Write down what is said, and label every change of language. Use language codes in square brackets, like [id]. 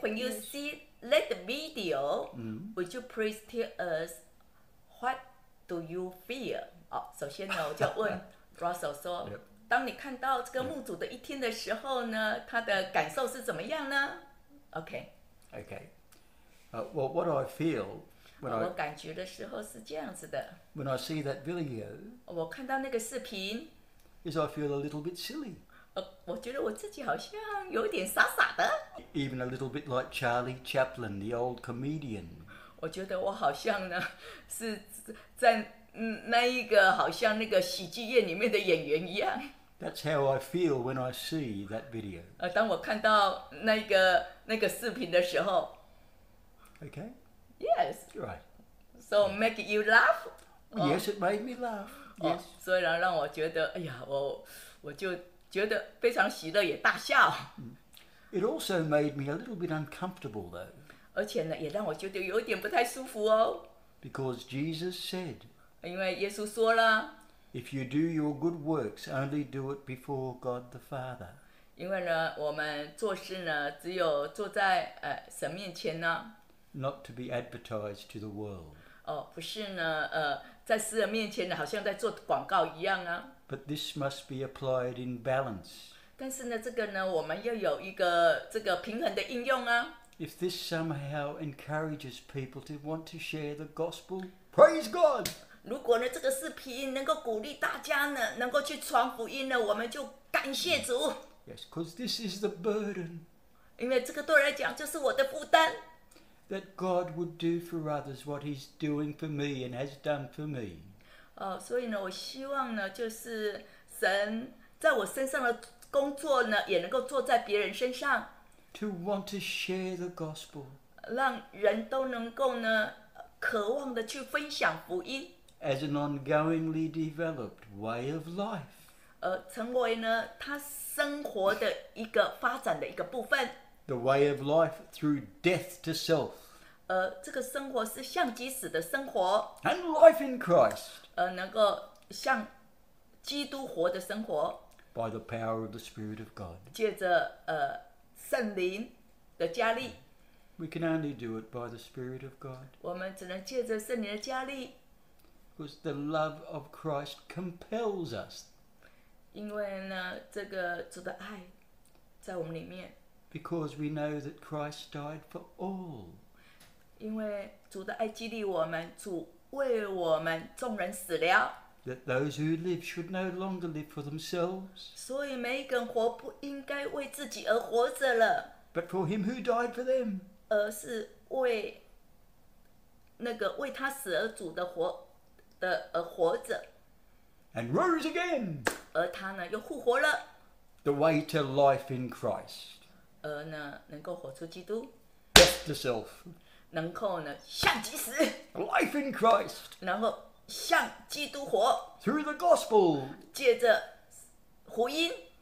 [en] When you see that video, would you please tell us what do you feel? [zh] 首先呢，我就问 Russell 说， [en] yep. [zh] 当你看到这个牧主的一天的时候呢， [en] yep. [zh] 他的感受是怎么样呢？ [en] OK. OK. Well, what I feel when I [zh] 我感觉的时候是这样子的。 [en] When I see that video, [zh] 我看到那个视频 [en] is I feel a little bit silly. [zh] 我觉得我自己好像有点傻傻的。 [en] Even a little bit like Charlie Chaplin, the old comedian. [zh] 我觉得我好像呢是在那一个好像那个喜剧院里面的演员一样。 [en] That's how I feel when I see that video. [zh] 当我看到那个视频的时候。 [en] Okay. Yes. Right. So make you laugh? Yes, it made me laugh. Yes. [zh] 所以让我觉得，哎呀，我就觉得非常喜乐，也大笑。 [en] It also made me a little bit uncomfortable, though. [zh] 而且呢，也让我觉得有点不太舒服哦。 [en] Because Jesus said. [zh] 因为耶稣说了。 [en] If you do your good works, only do it before God the Father. [zh] 因为呢，我们做事呢，只有坐在神面前呢。 [en] Not to be advertised to the world. [zh] 哦，不是呢，在世人面前呢，好像在做广告一样啊。 [en] But this must be applied in balance. [zh] 但是呢，这个呢，我们要有一个这个平衡的应用啊。 [en] If this somehow encourages people to want to share the gospel, praise God. [zh] 如果呢，这个视频能够鼓励大家呢，能够去传福音呢，我们就感谢主。 [en] Yes, because this is the burden. [zh] 因为这个对我来讲就是我的负担。 [en] That God would do for others what He's doing for me and has done for me. [zh] 所以呢，我希望呢，就是神在我身上的工作呢，也能够做在别人身上。 [en] To want to share the gospel. [zh] 让人都能够呢，渴望的去分享福音。 [en] As an ongoingly developed way of life. [zh] 成为呢，他生活的一个发展的一个部分。 [en] The way of life through death to self. [zh] 这个生活是向基死的生活。 [en] And life in Christ. [zh] 能够向基督活的生活。 [en] By the power of the Spirit of God. [zh] 借着圣灵的加力。 [en] We can only do it by the Spirit of God. [zh] 我们只能借着圣灵的加力。 [en] Because the love of Christ compels us. [zh] 因为呢，这个主的爱在我们里面。 [en] Because we know that Christ died for all. [zh] 因为主的爱激励我们，主为我们众人死了。 [en] That those who live should no longer live for themselves. [zh] 所以每一个人活不应该为自己而活着了。 [en] But for him who died for them. [zh] 而是为那个为他死而主的活的而活着。 [en] And rose again. [zh] 而他呢又复活了。 [en] The way to life in Christ. [zh] 能够活出基督 [en] death to self [zh] 能够呢向基死 [en] life in Christ [zh] 然后向基督活 [en] through the gospel [zh] 借着福音